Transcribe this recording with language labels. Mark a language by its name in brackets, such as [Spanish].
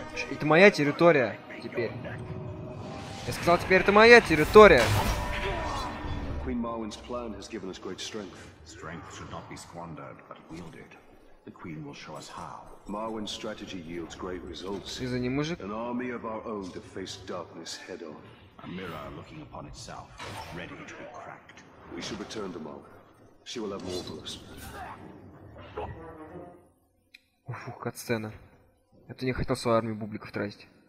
[Russian] Это моя территория теперь. Я сказал, теперь это моя территория. [English] Queen Marwyn's plan has given us great strength. Strength should not be squandered, but wielded. The Queen will show us how. Marwyn's strategy yields great results. [Russian] Из-за не мужик. [English] An army of our own to face darkness head on. A mirror looking upon itself, ready to be cracked. We should return to Marwyn. She will have more for us. [Russian] Ух, катсцена. Я то не хотел свою армию бубликов тратить.